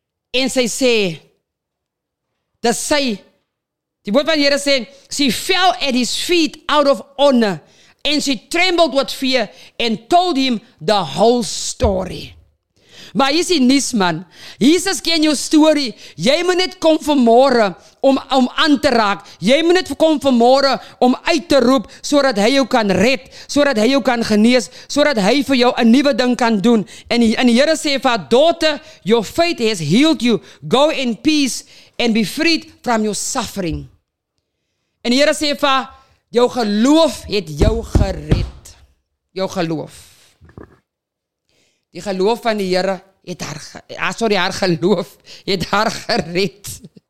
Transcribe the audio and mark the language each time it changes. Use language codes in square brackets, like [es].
[af] En sy sê, dat sy, die woord van die Here sê, [en] she fell at his feet out of honor, and she trembled with fear, and told him the whole story. [af] Maar hier is die nies, man. Jesus ken jou story. Jy moet net kom vanmorgen om aan te raak. Jy moet net kom vanmorgen om uit te roep, sodat hy jou kan red, sodat hy jou kan genees, sodat hy vir jou een nieuwe ding kan doen. En die Here sê, vir [en] daughter, your faith has healed you. Go in peace and be freed from your suffering. [af] En die Here sê, vir jou geloof het jou gered. Jou geloof. Die geloof van die Here het haar geloof het haar gered.